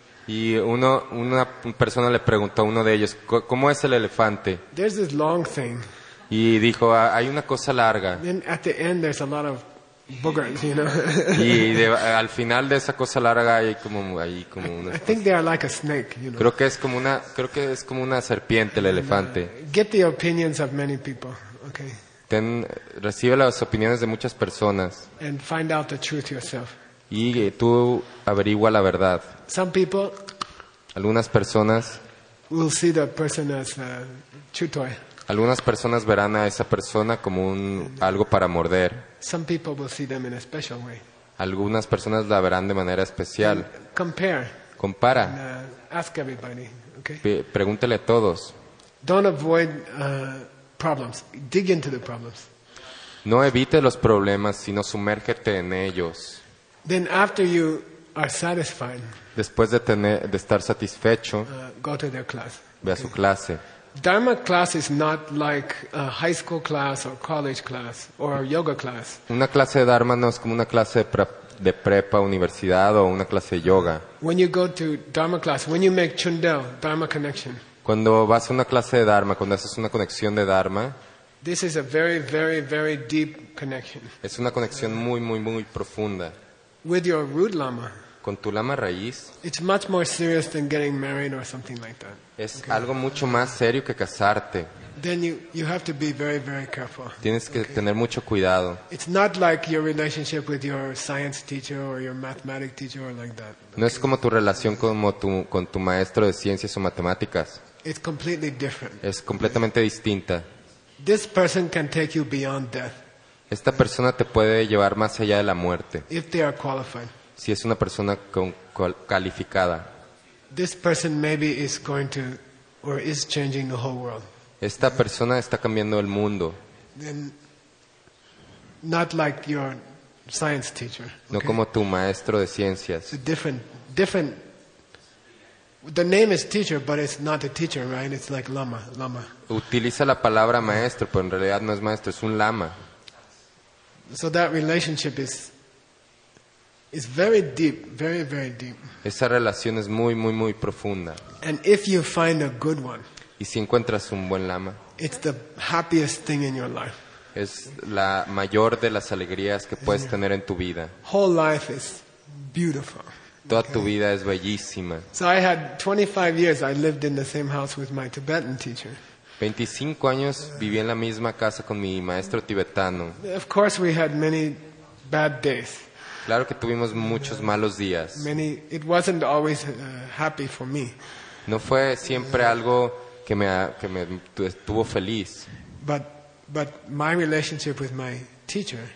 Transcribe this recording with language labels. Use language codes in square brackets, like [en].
[es] Y una persona le preguntó a uno de ellos, ¿cómo es el elefante? [en] There's this long thing. [es] Y dijo, hay una cosa larga. [en] Then at the end there's a lot of boogers, you know. [es] Y al final de esa cosa larga hay como una. [en] I think they are like a snake, you know. [es] Creo que es como una serpiente el elefante. [en] Get the opinions of many people, okay. [es] Recibe las opiniones de muchas personas. [en] And find out the truth yourself. [es] Y tú averigua la verdad. [en] Some people, [es] algunas personas, [en] will see the person as a chew toy. [es] Algunas personas verán a esa persona como algo para morder. [en] Some people will see them in a special way. [es] Algunas personas la verán de manera especial. [en] Compare. [es] Compara. [en] Ask everybody. Okay. [es] Pregúntele a todos. [en] Don't avoid problems. Dig into the problems. [es] No evite los problemas, sino sumérgete en ellos. [en] Then after you are satisfied, [es] después de estar satisfecho, [en] go to their class. [es] Ve okay. A su clase. [en] Dharma class is not like a high school class or college class or a yoga class. [es] Una clase de dharma no es como una clase de prepa, universidad o una clase de yoga. [en] When you go to dharma class, when you make chundel, dharma connection. [es] Cuando vas a una clase de dharma, cuando haces una conexión de dharma. [en] This is a very, very, very deep connection. [es] Es una conexión muy, muy, muy profunda. [en] With your root lama. [es] Con tu lama raíz. [en] It's much more serious than getting married or something like that. [es] Es okay. Algo mucho más serio que casarte. [en] Then you have to be very, very careful. [es] Tienes que tener mucho cuidado. [en] It's not like your relationship with your science teacher or your mathematics teacher or like that. Okay. [es] No es como tu relación con tu maestro de ciencias o matemáticas. [en] It's completely different. [es] Es completamente okay. Distinta. [en] This person can take you beyond death. [es] Esta persona te puede llevar más allá de la muerte. [en] If they are qualified. [es] Si es una persona calificada. [en] This person maybe is going to or is changing the whole world. [es] Esta persona está cambiando el mundo. [en] Then, not like your science teacher. Okay? [es] No como tu maestro de ciencias. [en] It's different. The name is teacher, but it's not a teacher, right? It's like lama. [es] Utiliza la palabra maestro, pero en realidad no es maestro, es un lama. [en] So that relationship is very deep, very, very deep. [es] Esa relación es muy, muy, muy profunda. [en] And if you find a good one, [es] y si encuentras un buen lama, [en] it's the happiest thing in your life. [es] Es la mayor de las alegrías que puedes tener en tu vida. [en] Whole life is beautiful. [es] Toda tu vida es bellísima. [en] So I had 25 years. I lived in the same house with my Tibetan teacher. [es] 25 años viví en la misma casa con mi maestro tibetano. [en] Of course we had many bad days. [es] Claro que tuvimos muchos malos días. [en] Many, it wasn't always happy for me. [es] No fue siempre algo que me estuvo feliz. [en] But my relationship with my teacher.